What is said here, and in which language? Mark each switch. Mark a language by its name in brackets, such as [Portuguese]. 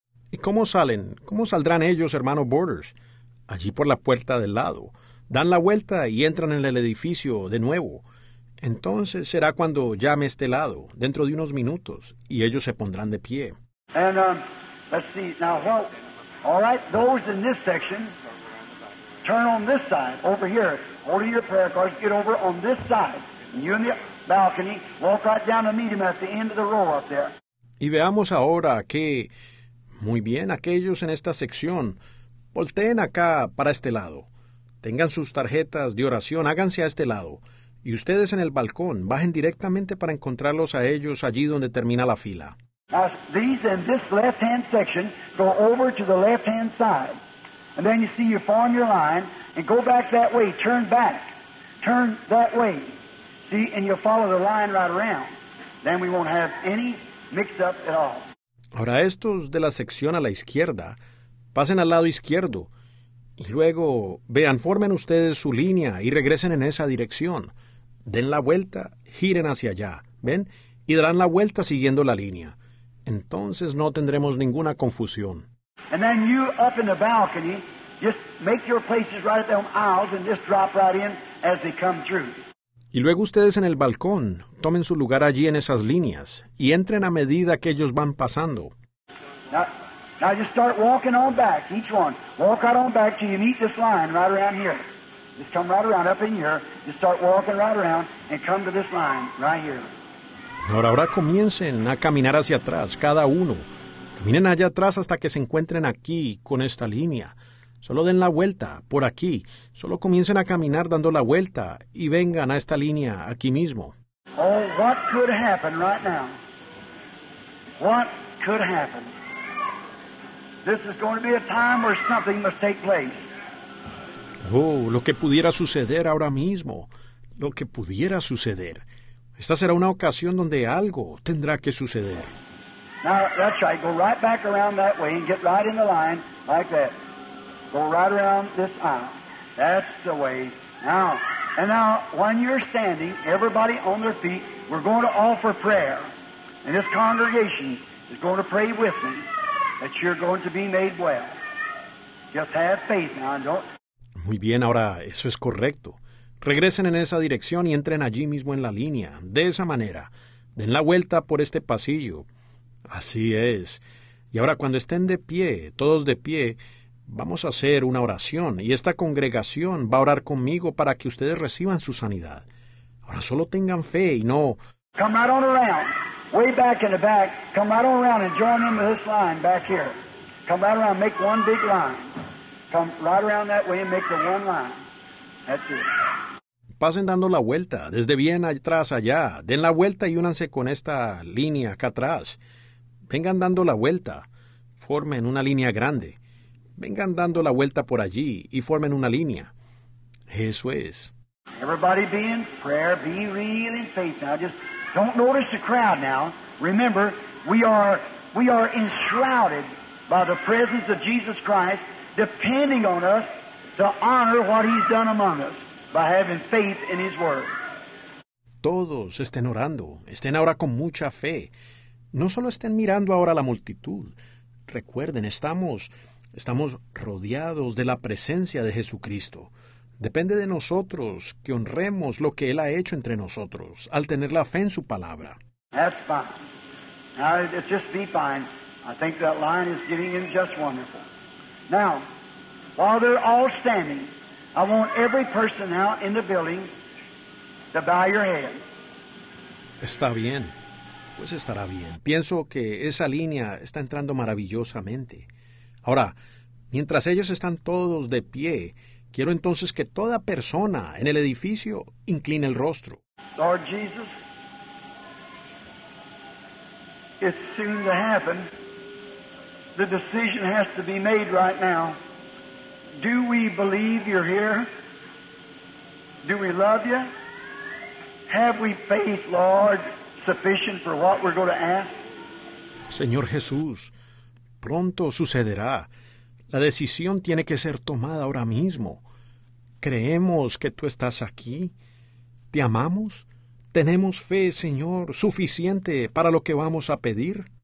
[Spanish] ¿Y cómo salen? ¿Cómo saldrán ellos, hermano Borders? Allí por la puerta del lado. Dan la vuelta y entran en el edificio de nuevo. Entonces será cuando llame este lado, dentro de unos minutos, y ellos se pondrán de pie. [English] And, let's see, now, well, all right, those in this section, turn on this side, over here. Order your prayer cards, get over on this side. And you in the balcony, walk right down and meet him at the end of the row up there. [Spanish] Y veamos ahora que, muy bien, aquellos en esta sección, volteen acá para este lado. Tengan sus tarjetas de oración, háganse a este lado. Y ustedes en el balcón, bajen directamente para encontrarlos a ellos allí donde termina la fila. [English] Now, these in this left-hand section go over to the left-hand side. And then you see you form your line and go back that way, turn back. Turn that way. See, and you follow the line right around. Then we won't have any mix-up at all. [Spanish] Ahora, estos de la sección a la izquierda, pasen al lado izquierdo. Y luego, vean, formen ustedes su línea y regresen en esa dirección. Den la vuelta, giren hacia allá, ¿ven? Y darán la vuelta siguiendo la línea. Entonces no tendremos ninguna confusión. [English] And then you up in the balcony, just make your places right at them aisles and just drop right in as they come through. [Spanish] Y luego ustedes en el balcón, tomen su lugar allí en esas líneas y entren a medida que ellos van pasando. [English] Now just start walking on back, each one. Walk right on back till you meet this line right around here. Just come right around up in here. Just start walking right around and come to this line right here. [Spanish] Ahora comiencen a caminar hacia atrás, cada uno. Caminen allá atrás hasta que se encuentren aquí con esta línea. Solo den la vuelta, por aquí. Solo comiencen a caminar dando la vuelta y vengan a esta línea, aquí mismo. [English] Oh, what could happen right now? What could happen? This is going to be a time where something must take place. [Spanish] Oh, lo que pudiera suceder ahora mismo. Lo que pudiera suceder. Esta será una ocasión donde algo tendrá que suceder. [English] Now, that's right. Go right back around that way and get right in the line, like that. Go right around this aisle. That's the way. Now, when you're standing, everybody on their feet, we're going to offer prayer. And this congregation is going to pray with me that you're going to be made well. Just have faith now, and don't... [Spanish] Muy bien, ahora eso es correcto. Regresen en esa dirección y entren allí mismo en la línea. De esa manera, den la vuelta por este pasillo. Así es. Y ahora cuando estén de pie, todos de pie, vamos a hacer una oración. Y esta congregación va a orar conmigo para que ustedes reciban su sanidad. Ahora solo tengan fe y no... [English] Come right on around. Way back in the back. Come right on around and join in with this line back here. Come right around. Make one big line. Come right around that way and make the one line. That's it. [Spanish] Pasen dando la vuelta, desde bien atrás allá. Den la vuelta y únanse con esta línea acá atrás. Vengan dando la vuelta. Formen una línea grande. Vengan dando la vuelta por allí y formen una línea. Eso es. [English] Everybody be in prayer, be real in faith. Now just don't notice the crowd now. Remember, we are enshrouded by the presence of Jesus Christ, depending on us to honor what he's done among us. By having faith in his word. [Spanish] Todos estén orando, estén ahora con mucha fe. No solo estén mirando ahora a la multitud. Recuerden, estamos rodeados de la presencia de Jesucristo. Depende de nosotros que honremos lo que él ha hecho entre nosotros al tener la fe en su palabra. [English] That's fine. Now it's just be fine. I think that line is getting in just wonderful. Now, while they're all standing, I want every person out in the building to bow your head. [Spanish] Está bien. Pues estará bien. Pienso que esa línea está entrando maravillosamente. Ahora, mientras ellos están todos de pie, quiero entonces que toda persona en el edificio incline el rostro. [English] Lord Jesus, it's soon to happen. The decision has to be made right now. Do we believe you're here? Do we love you? Have we faith, Lord, sufficient for what we're going to ask? [Spanish] Señor Jesús, pronto sucederá. La decisión tiene que ser tomada ahora mismo. ¿Creemos que tú estás aquí? ¿Te amamos? ¿Tenemos fe, Señor, suficiente para lo que vamos a pedir?